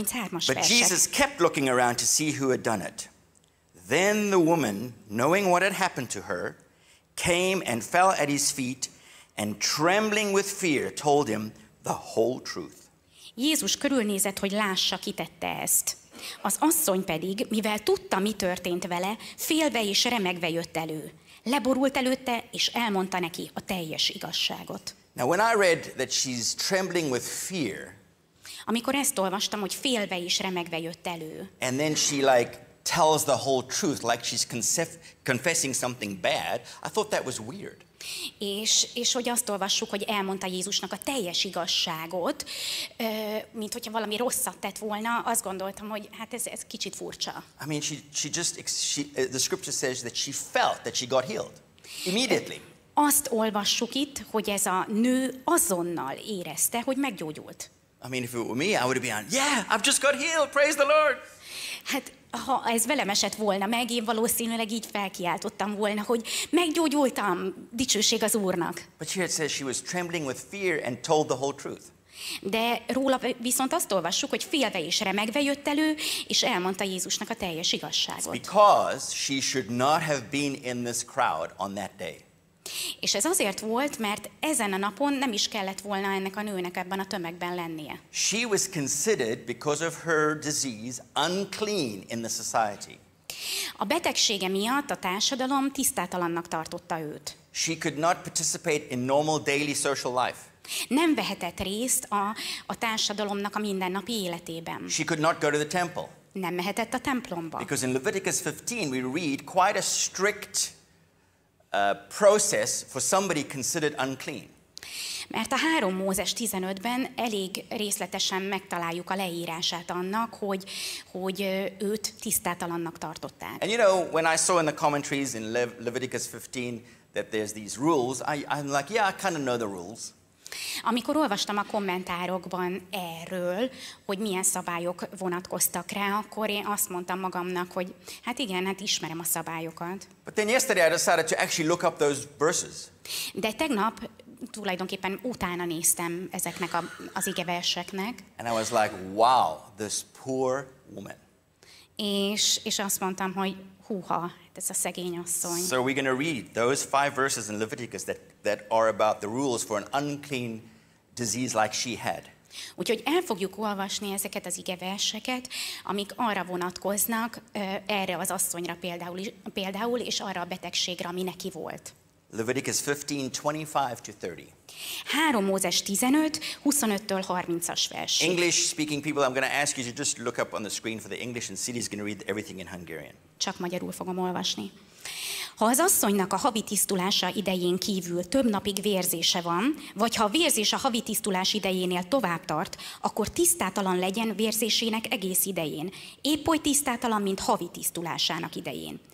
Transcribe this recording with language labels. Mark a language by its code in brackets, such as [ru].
[hu] verset. [en] But Jesus kept looking around to see who had done it. Then the woman, knowing what had happened to her, came and fell at his feet, and trembling with fear, told him the whole truth. [hu] Jézus körülnézett, hogy lássa, ki tette ezt. Az asszony pedig, mivel tudta, mi történt vele, félve és remegve jött elő. Leborult előtte, és elmondta neki a teljes igazságot. [en] Now when I read that she's trembling with fear, [hu] amikor ezt olvastam, hogy félve és remegve jött elő, [en] and then she like tells the whole truth like she's confessing something bad, I thought that was weird. [hu] És hogy azt olvassuk, hogy elmondta Jézusnak a teljes igazságot, mint hogyha valami rosszat tett volna, azt gondoltam, hogy hát ez kicsit furcsa. [en] I mean the scripture says that she felt that she got healed immediately. [hu] Azt olvassuk itt, hogy ez a nő azonnal érezte, hogy meggyógyult. [en] I mean if it were me, I would be on, "Yeah, I've just got healed, praise the Lord." [hu] Hát ha ez velem esett volna meg, én valószínűleg így felkiáltottam volna, hogy meggyógyultam, dicsőség az Úrnak. [en] But here it says she was trembling with fear and told the whole truth. [hu] De róla viszont azt olvassuk, hogy félve és remegve jött elő, és elmondta Jézusnak a teljes igazságot. [en] It's because she should not have been in this crowd on that day. [hu] És ez azért volt, mert ezen a napon nem is kellett volna ennek a nőnek ebben a tömegben lennie. [en] She was considered, because of her disease, unclean in the society. [hu] A betegsége miatt a társadalom tisztátalannak tartotta őt. [en] She could not participate in normal daily social life. [hu] Nem vehetett részt a társadalomnak a mindennapi életében. [en] She could not go to the temple. [hu] Nem mehetett a templomba. [en] Because in Leviticus 15 we read quite a strict process for somebody considered unclean. [hu] Mert a 3 Mózes 15-ben elég részletesen megtaláljuk a leírását annak, hogy őt tisztátalannak tartották. [en] And you know, when I saw in the commentaries in Leviticus 15 that there's these rules, I'm like, yeah, I kind of know the rules. [hu] Amikor olvastam a kommentárokban erről, hogy milyen szabályok vonatkoztak rá, akkor én azt mondtam magamnak, hogy hát igen, hát ismerem a szabályokat. [en] But then yesterday I decided to actually look up those verses. [hu] De tegnap tulajdonképpen utána néztem ezeknek az igeverseknek. [en] And I was like, wow, this poor woman. [hu] És azt mondtam, hogy húha, ez a szegény asszony. [en] So we're going to read those 5 verses in Leviticus that are about the rules for an unclean disease like she had. [hu] Úgyhogy el fogjuk olvasni ezeket az igeverseket, amik arra vonatkoznak, erre az asszonyra például, például és arra a betegségre, ami neki volt. [en] Leviticus 15:25-30. [hu] 3 Mózes 15, 25-től 30-as versig. [en] English speaking people, I'm going to ask you to just look up on the screen for the English and Siri is going to read everything in Hungarian. [hu] Csak magyarul fogom olvasni. Ha az asszonynak a havi tisztulása idején kívül több napig vérzése van, vagy ha a vérzés a havi tisztulás idejénél tovább tart, akkor tisztátalan legyen vérzésének egész idején, épp oly tisztátalan, mint havi tisztulásának idején.